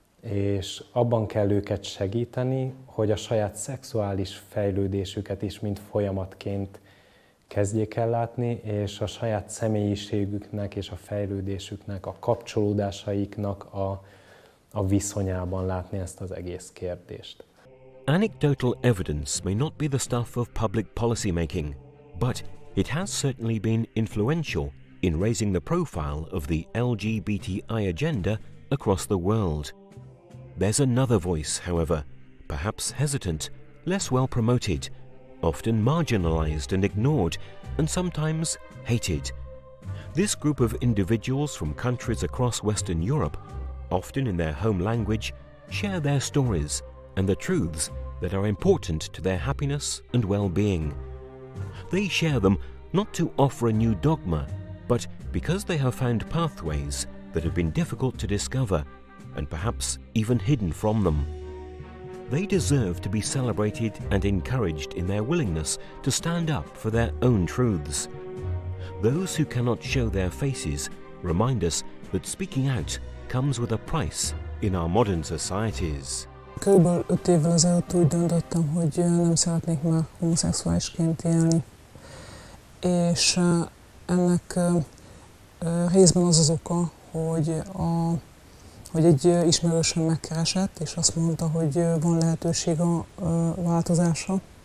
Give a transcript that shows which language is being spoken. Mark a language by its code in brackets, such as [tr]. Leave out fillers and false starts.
[hu] És abban kell őket segíteni, hogy a saját szexuális fejlődésüket is, mint folyamatként kezdjék el látni, és a saját személyiségüknek és a fejlődésüknek, a kapcsolódásaiknak a viszonyában látni ezt az egész kérdést. [en] Anecdotal evidence may not be the stuff of public policy making, but it has certainly been influential in raising the profile of the LGBTI agenda across the world. There's another voice, however, perhaps hesitant, less well promoted, often marginalized and ignored, and sometimes hated. This group of individuals from countries across Western Europe, often in their home language, share their stories and the truths that are important to their happiness and well-being. They share them not to offer a new dogma, but because they have found pathways that have been difficult to discover and perhaps even hidden from them. They deserve to be celebrated and encouraged in their willingness to stand up for their own truths. Those who cannot show their faces remind us that speaking out comes with a price in our modern societies. [hu] Körülbelül 5 évvel ezelőtt úgy döntöttem, hogy nem szeretnék már homoszexuálisként élni. És ennek részben az az oka, hogy egy ismerősöm megkeresett, és azt mondta, hogy van lehetőség a változásra.